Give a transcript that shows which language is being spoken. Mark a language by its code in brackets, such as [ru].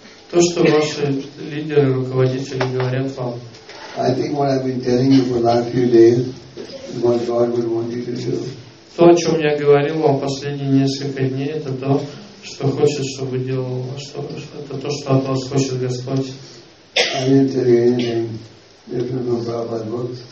[ru] То, что ваши лидеры, руководители говорят вам. [en] I think what I've been telling you for the last few days is what God would want you to do. [ru] То, о чем я говорил вам последние несколько дней, это то, что хочет, чтобы делал, это то, что от вас хочет Господь. [en] I didn't tell you anything different from Prabhupada's books.